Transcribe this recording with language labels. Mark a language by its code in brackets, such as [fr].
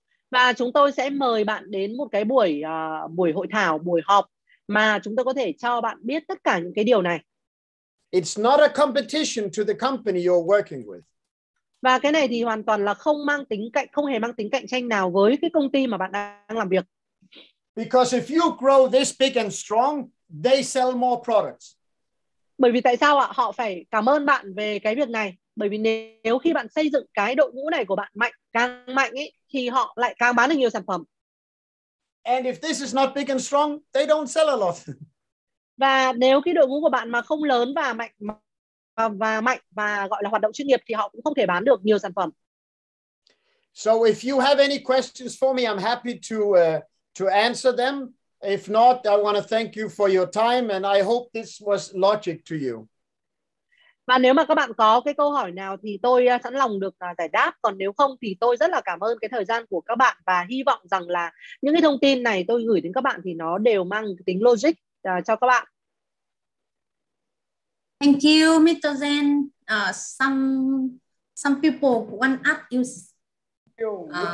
[vi] Và chúng tôi sẽ mời bạn đến một cái buổi buổi hội thảo, buổi họp mà chúng tôi có thể cho bạn biết tất cả những cái điều này. [en] It's not a competition to the company you're working with. [vi] Và cái này thì hoàn toàn là không mang tính cạnh, không hề mang tính cạnh tranh nào với cái công ty mà bạn đang làm việc. [en] Because if you grow this big and strong, they sell more products. [vi] Bởi vì tại sao ạ? Họ phải cảm ơn bạn về cái việc này. Bởi vì nếu khi bạn xây dựng cái đội ngũ này của bạn mạnh, càng mạnh ấy, thì họ lại càng bán được nhiều sản phẩm. [en] And if this is not big and strong, they don't sell a lot. [vi] Và nếu cái đội ngũ của bạn mà không lớn và mạnh và mạnh và gọi là hoạt động chuyên nghiệp thì họ cũng không thể bán được nhiều sản phẩm. [en] So if you have any questions for me, I'm happy to answer them. If not, I want to thank you for your time and I hope this was logic to you. [vi] Và nếu mà các bạn có cái câu hỏi nào thì tôi sẵn lòng được giải đáp, còn nếu không thì tôi rất là cảm ơn cái thời gian của các bạn và hy vọng rằng là những cái thông tin này tôi gửi đến các bạn thì nó đều mang tính logic cho các bạn. [en] Thank you, Mr. Zen. Some people want to ask you.